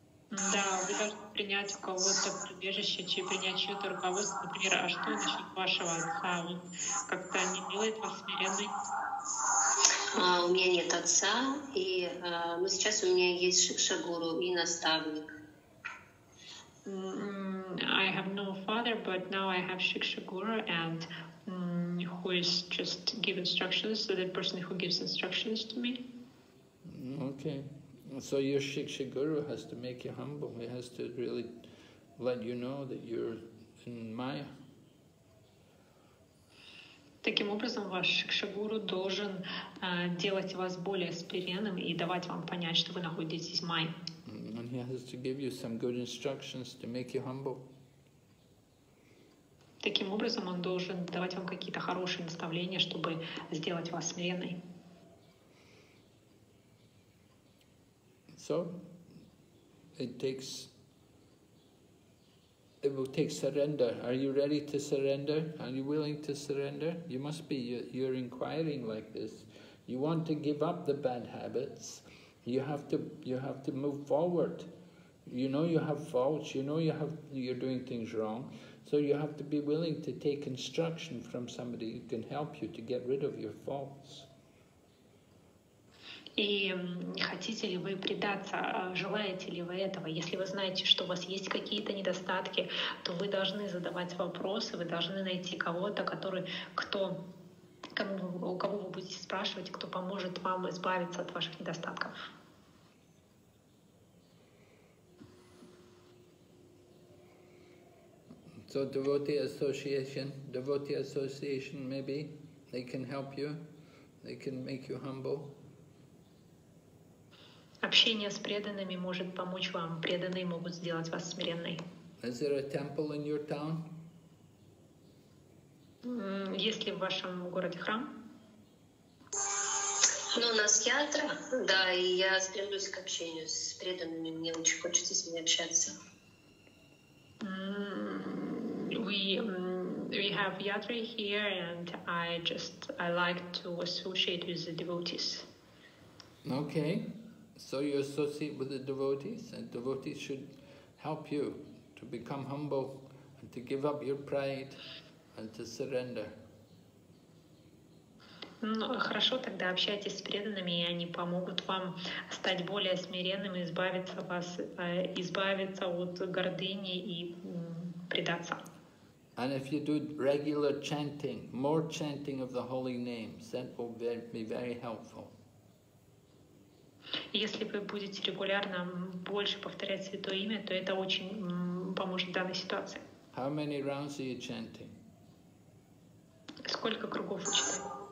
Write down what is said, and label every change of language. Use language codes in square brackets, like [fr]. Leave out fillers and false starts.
[ru] Да, вы должны принять у кого-то прибежище, чьи принять чье-то руководство, например, а что насчет вашего отца? Он как-то не делает вас смиренной? У меня нет отца, и сейчас у меня есть шикшагуру и наставник. [en] I have no father, but now I have Shiksha Guru, and who is just give instructions, so the person who gives instructions to me. Okay. So your Shiksha Guru has to make you humble. He has to really let you know that you're in Maya. [ru] Таким образом, ваш шикшагуру должен делать вас более смиренным и давать вам понять, что вы находитесь в май. [en] And he has to give you some good instructions to make you humble. [ru] Таким образом, он должен давать вам какие-то хорошие наставления, чтобы сделать вас смиренной. [en] So, it will take surrender. Are you ready to surrender? Are you willing to surrender? You must be. You're inquiring like this. You want to give up the bad habits. You have to move forward. You know you have faults. You know you're doing things wrong. So you have to be willing to take instruction from somebody who can help you to get rid of your faults. [ru] И хотите ли вы предаться, желаете ли вы этого? Если вы знаете, что у вас есть какие-то недостатки, то вы должны задавать вопросы, вы должны найти кого-то, у кого вы будете спрашивать, кто поможет вам избавиться от ваших недостатков. [en] So Devotee Association, maybe they can help you, they can make you humble. [ru] Общение с преданными может помочь вам. Преданные могут сделать вас смиренной. [en] Is there a temple in your town? [ru] Есть ли в вашем городе храм? Ну, у нас ятра, да, и я стремлюсь к общению с преданными. Мне очень хочется с ними общаться. [en] We have yatra here, and I like to associate with the devotees. Okay. So you associate with the devotees, and devotees should help you to become humble and to give up your pride and to surrender. [ru] Хорошо, тогда общайтесь с преданными, и они помогут вам стать более смиренным, избавиться от гордыни и предаться. [en] And if you do regular chanting, more chanting of the holy names, that will be very helpful. [ru] Если вы будете регулярно больше повторять святое имя, то это очень поможет в данной ситуации. [en] How many rounds are you chanting? [ru] Сколько кругов вы читаете?